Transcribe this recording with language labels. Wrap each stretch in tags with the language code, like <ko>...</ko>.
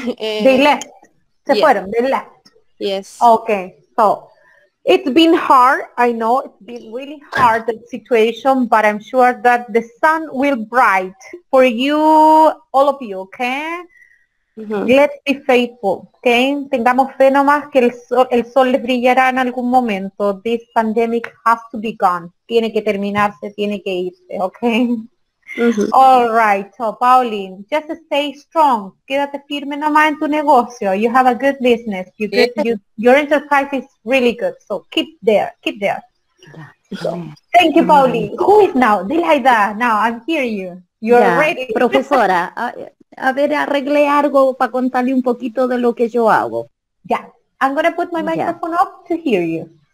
<en>They left.</en> <es>Fueron.</es> <en>They left. Yes. Okay. So it's been hard. I know it's been really hard, the situation, but I'm sure that the sun will bright for you, all of you, okay? Mm-hmm. Let's be faithful, okay?</en> <es>Tengamos fe nomás que el sol les brillará en algún momento.</es> <en>This pandemic has to be gone.</en> <es>Tiene que terminarse, tiene que irse,</es> <en>okay? Mm-hmm. All right, so Pauline, just stay strong.</en> <es>Quédate firme nomás en tu negocio.</es> <en>You have a good business. Your enterprise is really good, so keep there. So, thank you, Pauline. Who is now? Dilaida, now I hear you. You're ready.</en> <es>Profesora. A ver, arreglé algo para contarle un poquito de lo que yo hago.</es> <en>Yeah, I'm going to put my microphone off to hear you.</en>